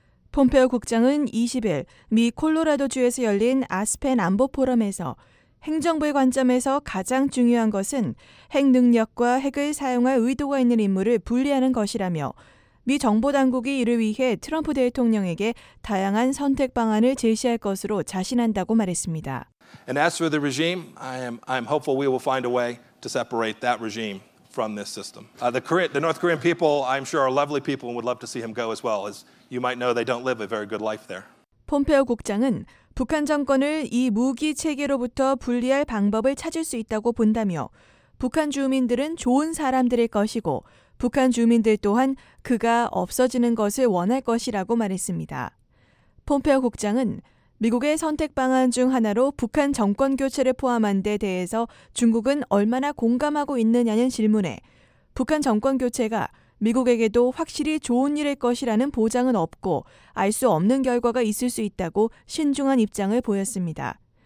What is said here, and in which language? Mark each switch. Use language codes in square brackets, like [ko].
[ko] 폼페오 국장은 20일 미 콜로라도주에서 열린 아스펜 안보 포럼에서 행정부의 관점에서 가장 중요한 것은 핵 능력과 핵을 사용할 의도가 있는 인물을 분리하는 것이라며 미 정보당국이 이를 위해 트럼프 대통령에게 다양한 선택 방안을 제시할 것으로 자신한다고 말했습니다. [en] And as for the regime, I'm hopeful we will find a way to separate that regime from this system. The North Korean people, I'm sure, are lovely people and would love to see him go as well. As you might know, they don't live a very good life there. [ko] 폼페오 국장은 북한 정권을 이 무기 체계로부터 분리할 방법을 찾을 수 있다고 본다며 북한 주민들은 좋은 사람들일 것이고 북한 주민들 또한 그가 없어지는 것을 원할 것이라고 말했습니다. 폼페오 국장은 미국의 선택 방안 중 하나로 북한 정권 교체를 포함한 데 대해서 중국은 얼마나 공감하고 있느냐는 질문에 북한 정권 교체가 미국에게도 확실히 좋은 일일 것이라는 보장은 없고 알 수 없는 결과가 있을 수 있다고 신중한 입장을 보였습니다.